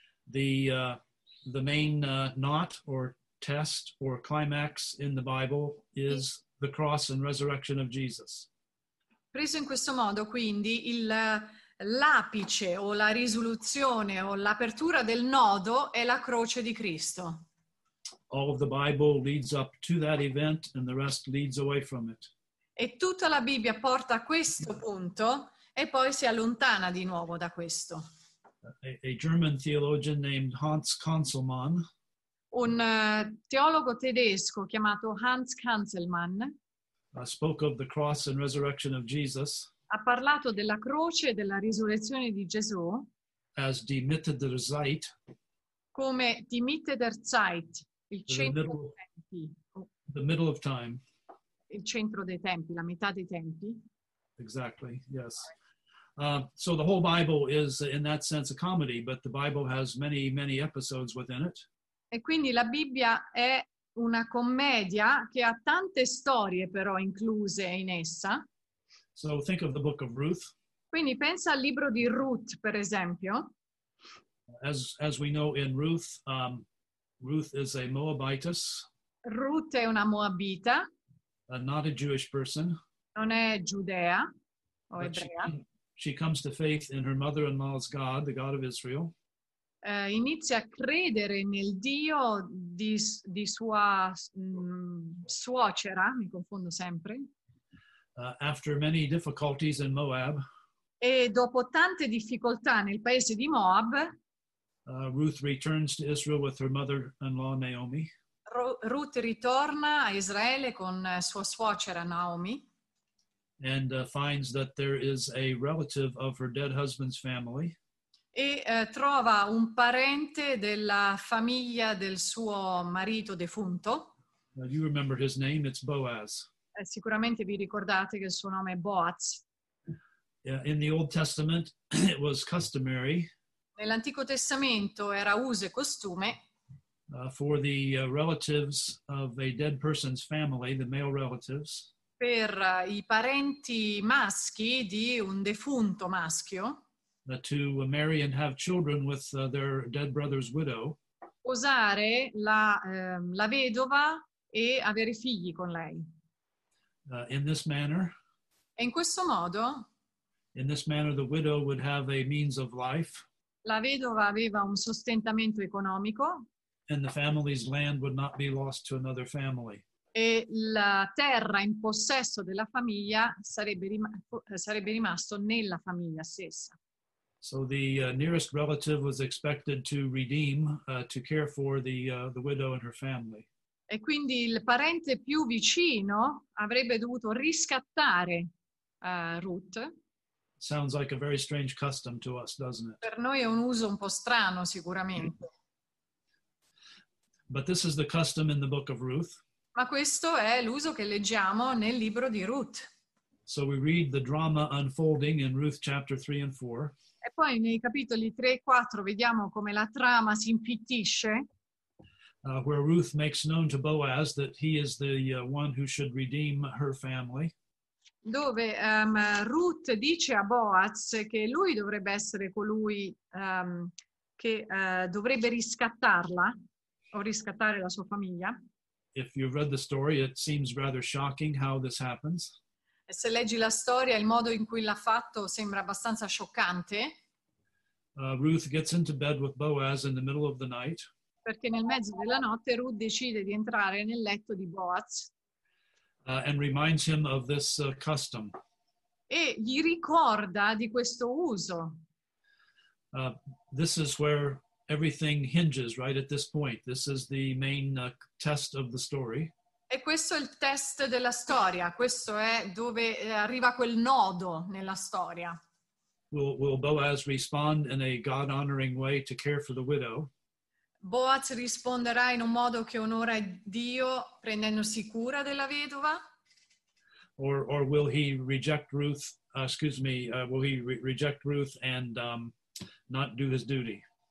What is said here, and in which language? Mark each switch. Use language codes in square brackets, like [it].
[en] The main knot or test or climax in the Bible is the cross and resurrection of Jesus. [it] Preso in questo modo, quindi, l'apice o la risoluzione o l'apertura del nodo è la croce di Cristo. [en] All of the Bible leads up to that event and the rest leads away from it. [it] E tutta la Bibbia porta a questo punto e poi si allontana di nuovo da questo. [en] A German theologian named Hans Conzelmann. [it] Un teologo tedesco chiamato Hans Conzelmann. [en] Spoke of the cross and resurrection of Jesus. [it] Ha parlato della croce e della risurrezione di Gesù. [de] As die Mitte der Zeit. Come die Mitte der Zeit. [it] Il centro [en] the middle of time. [it] Il centro dei tempi, la metà dei tempi. [en] Exactly, yes. So the whole Bible is in that sense a comedy, but the Bible has many, many episodes within it. [it] E quindi la Bibbia è una commedia che ha tante storie però incluse in essa. [en] So think of the book of Ruth. [it] Quindi pensa al libro di Ruth, per esempio. [en] As we know in Ruth, Ruth is a Moabitess. [it] Ruth è una Moabita. [en] Not a Jewish person. [it] Non è giudea o ebrea. [en] She comes to faith in her mother-in-law's God, the God of Israel. [it] Inizia a credere nel Dio di sua suocera, mi confondo sempre. [en] After many difficulties in Moab. [it] E dopo tante difficoltà nel paese di Moab. [en] Ruth returns to Israel with her mother-in-law Naomi. [it] Ruth ritorna a Israele con sua suocera Naomi. [en] And finds that there is a relative of her dead husband's family. [it] E trova un parente della famiglia del suo marito defunto. [en] You remember his name, it's Boaz. [it] Sicuramente vi ricordate che il suo nome è Boaz. [en] Yeah, in the Old Testament it was customary. [it] Nell'Antico Testamento era uso e costume. [en] For the relatives of a dead person's family, the male relatives. [it] Per i parenti maschi di un defunto maschio. [en] To marry and have children with their dead brother's widow. [it] Usare la vedova e avere figli con lei. [en] In this manner. [it] E in questo modo. [en] In this manner the widow would have a means of life. [it] La vedova aveva un sostentamento economico. [en] And the family's land would not be lost to another family. [it] E la terra in possesso della famiglia sarebbe rimasto nella famiglia stessa. [en] So the nearest relative was expected to redeem, to care for the widow and her family. [it] E quindi il parente più vicino avrebbe dovuto riscattare Ruth. [en] Sounds like a very strange custom to us, doesn't it? [it] Per noi è un uso un po' strano, sicuramente. [en] But this is the custom in the book of Ruth. [it] Ma questo è l'uso che leggiamo nel libro di Ruth. [en] So we read the drama unfolding in Ruth chapter 3 and 4. [it] E poi nei capitoli 3 e 4 vediamo come la trama si impittisce. [en] Where Ruth makes known to Boaz that he is the one who should redeem her family. [it] Dove Ruth dice a Boaz che lui dovrebbe essere colui che dovrebbe riscattarla o riscattare la sua famiglia. [en] If you've read the story, it seems rather shocking how this happens. [it] se leggi la storia, il modo in cui l'ha fatto sembra abbastanza scioccante. [en] Ruth gets into bed with Boaz in the middle of the night. [it] Perché nel mezzo della notte Ruth decide di entrare nel letto di Boaz. [en] And reminds him of this custom. [it] E gli ricorda di questo uso. [en] This is where everything hinges, right at this point. This is the main test of the story. [it] E questo è il test della storia. Questo è dove arriva quel nodo nella storia. [en] Will Boaz respond in a God-honoring way to care for the widow? [it] Boaz risponderà in un modo che onora Dio prendendosi cura della vedova? [en] Or will he reject Ruth? Will he reject Ruth and not do his duty?